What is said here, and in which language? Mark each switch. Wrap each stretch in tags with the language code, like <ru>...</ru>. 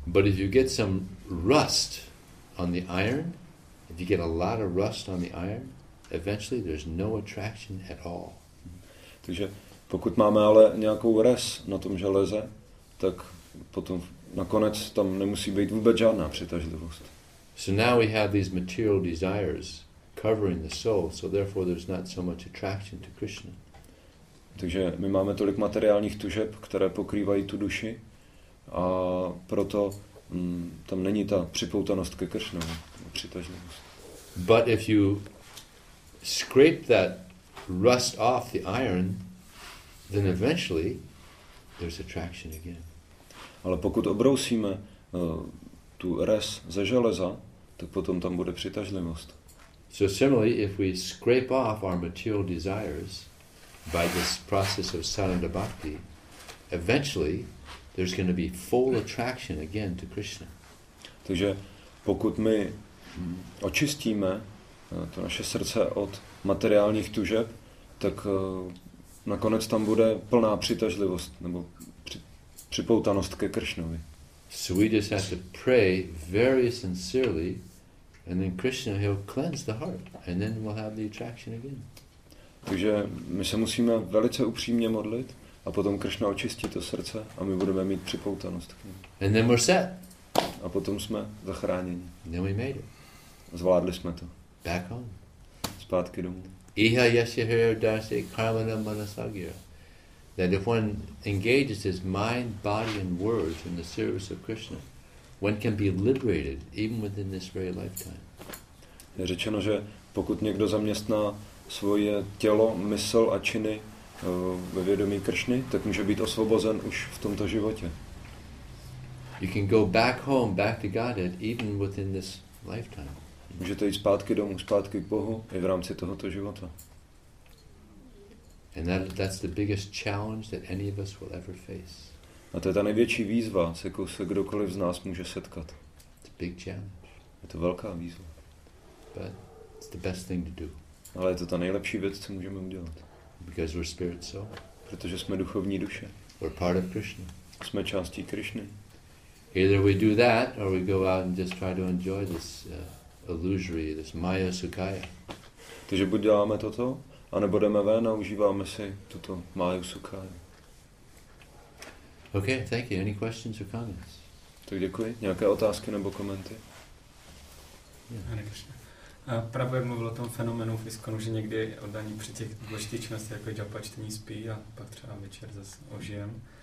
<en>But if you get some rust on the iron, if you get a lot of rust on the iron, eventually there's no attraction at all.</en> <cs>Takže Pokud máme ale nějakou res na tom železe, tak potom nakonec tam nemusí být vůbec žádná přitažlivost.</cs> <en>So now we have these material desires covering the soul, so therefore there's not so much attraction to Krishna.</en> <cs>Takže my máme tolik materiálních tužeb, které pokrývají tu duši, a proto tam není ta připoutanost ke Kršnu, přitažlivost.</cs> <en>But if you scrape that rust off the iron, then eventually there's attraction again.</en> <cs>Ale pokud obrousíme tu res ze železa, tak potom tam bude přitažlivost.</cs> <en>So similarly, if we scrape off our material desires by this process of sadhana bhakti, eventually there's going to be full attraction again to Krishna.</en> <cs>Takže pokud my očistíme to naše srdce od materiálních tužeb, tak nakonec tam bude plná přitažlivost nebo připoutanost ke Kršnovi.</cs> <en>So we just have to pray very sincerely, and then Krishna, he'll cleanse the heart, and then we'll have the attraction again.</en> <cs>Takže my se musíme velice upřímně modlit a potom Krishna očistí to srdce a my budeme mít připoutanost k němu.</cs> <en>And then we're set.</en> <cs>A potom jsme zachráněni.</cs> <en>And then we made it.</en> <cs>Zvládli jsme to.</cs> <en>Back home.</en> <cs>Zpátky domů.</cs> <sa>Iha yasya hira dasya karmana manasagira.</sa> <en>That if one engages his mind, body and words in the service of Krishna, one can be liberated even within this very lifetime.</en> <cs>Je řečeno, že pokud někdo zaměstná svoje tělo, mysl a činy ve vědomí Kršny, tak může být osvobozen už v tomto životě.</cs> <en>You can go back home, back to Godhead, even within this lifetime.</en> <cs>Můžete jít zpátky domů, zpátky k Bohu i v rámci tohoto života.</cs> <en>And that's the biggest challenge that any of us will ever face.</en> <cs>A to je ta největší výzva, se kterou se kdokoliv z nás může setkat.</cs> <en>It's a big challenge.</en> <cs>Je to velká výzva.</cs> <en>But it's the best thing to do.</en> <cs>Ale je to ta nejlepší věc, co můžeme udělat.</cs> <en>Because we're spirit soul.</en> <cs>Protože jsme duchovní duše.</cs> <en>We're part of Krishna.</en> <cs>Jsme částí Krishny.</cs> <en>Either we do that, or we go out and just try to enjoy this illusory, this Maya Sukaya.</en> <cs>Takže buď děláme toto, anebo jdeme ven a užíváme si tuto Maya Sukaya.</cs> <en>Okay, thank you. Any questions or comments?</en> <cs>Tak děkuji. Nějaké otázky nebo komenty? A pravě mluvil o tom fenomenu v ISKCONu, že někdy oddaní při těch důležitých činnostech, jako japa čtení, spí a pak třeba večer zase ožijem.</cs>